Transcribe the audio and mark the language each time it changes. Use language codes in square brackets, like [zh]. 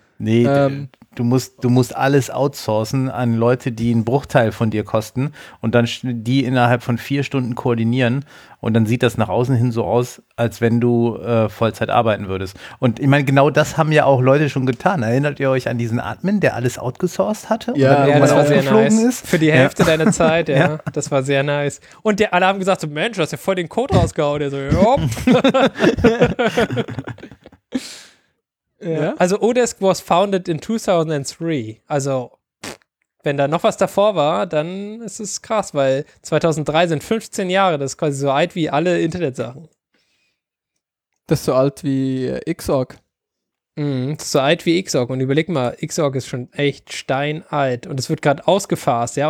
[de] Nee, du musst alles outsourcen an Leute, die einen Bruchteil von dir kosten und dann die innerhalb von 4 Stunden koordinieren und dann sieht das nach außen hin so aus, als wenn du Vollzeit arbeiten würdest. Und ich meine, genau das haben ja auch Leute schon getan. Erinnert ihr euch an diesen Admin, der alles outgesourced hatte? Ja, und dann irgendwann aufgeflogen ist? Für die Hälfte deiner Zeit, ja. Das war sehr nice. Und alle haben gesagt so, Mensch, du hast ja voll den Code rausgehauen. Der so, jopp. Ja. [en] Also Odesk was founded in 2003. [de] Also, wenn da noch was davor war, dann ist es krass, weil 2003 sind 15 Jahre. Das ist quasi so alt wie alle Internetsachen. Das ist so alt wie Xorg. Das ist so alt wie Xorg. Und überleg mal, Xorg ist schon echt steinalt. Und es wird gerade ausgefasst, ja?